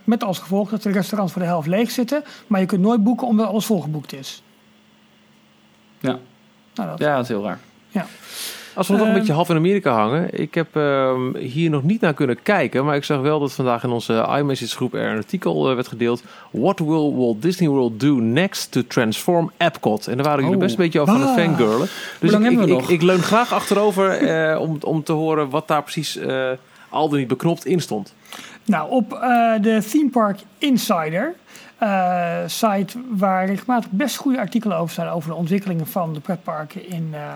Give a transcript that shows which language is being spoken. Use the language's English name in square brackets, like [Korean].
[Dutch] Met als gevolg dat de restaurants voor de helft leeg zitten. Maar je kunt nooit boeken omdat alles volgeboekt is. Ja, nou, dat is heel raar. Ja. Als we nog een beetje half in Amerika hangen. Ik heb hier nog niet naar kunnen kijken. Maar ik zag wel dat vandaag in onze iMessage groep er een artikel werd gedeeld. [English] What will Walt Disney World do next to transform Epcot? [Dutch] En daar waren jullie best een beetje over aan het fangirlen. Dus ik leun graag achterover om te horen wat daar precies al dan niet beknopt in stond. Nou, op de Theme Park Insider. Site waar regelmatig best goede artikelen over staan over de ontwikkelingen van de pretparken in...